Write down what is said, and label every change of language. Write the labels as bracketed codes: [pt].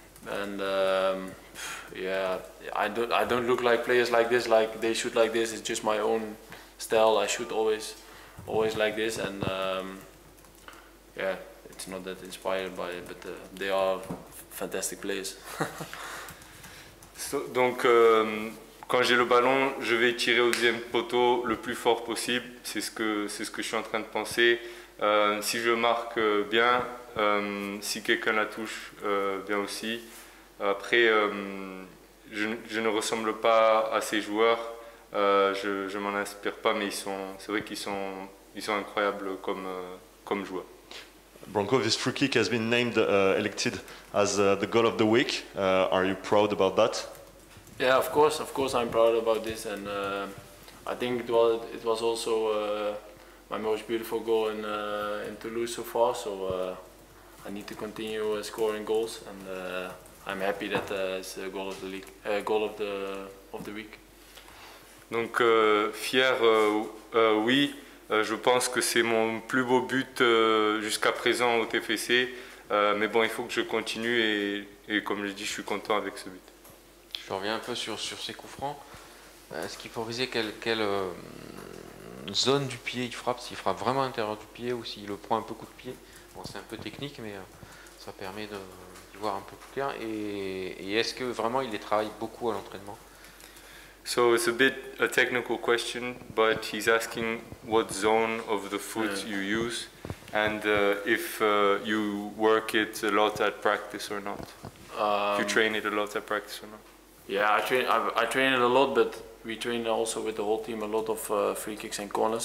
[en] And yeah, I don't look like players like this, like they shoot like this, it's just my own style. I shoot always like this, and yeah, it's not that inspired by it, but they are fantastic players. [fr] So, donc, quand j'ai le ballon, je vais tirer au deuxième poteau le plus fort possible. C'est ce que je suis en train de penser. Si je marque bien, si quelqu'un la touche bien aussi. Après, je ne ressemble pas à ces joueurs. Je m'en inspire pas, mais c'est vrai qu'ils sont incroyables comme joueurs. [en] Bronco, this free kick has been named elected as the goal of the week. Are you proud about that? Yeah, of course I'm proud about this, and I think it was also my most beautiful goal in Toulouse so far, so I need to continue scoring goals, and I'm happy that it's a goal of the league, goal of the week. [fr] Donc, fier, oui, je pense que c'est mon plus beau but jusqu'à présent au TFC. Mais bon, il faut que je continue, et comme je l'ai dit, je suis content avec ce but. Je reviens un peu sur ses coups francs. Est-ce qu'il faut viser quelle zone du pied il frappe? S'il frappe vraiment à l'intérieur du pied ou s'il le prend un peu coup de pied? Bon, c'est un peu technique, mais ça permet d'y voir un peu plus clair. Et est-ce que vraiment il les travaille beaucoup à l'entraînement? [en] So it's a bit a technical question, but he's asking what zone of the foot you use, and if you work it a lot at practice or not. You train it a lot at practice or not? Yeah, I train it a lot, but we train also with the whole team a lot of free kicks and corners.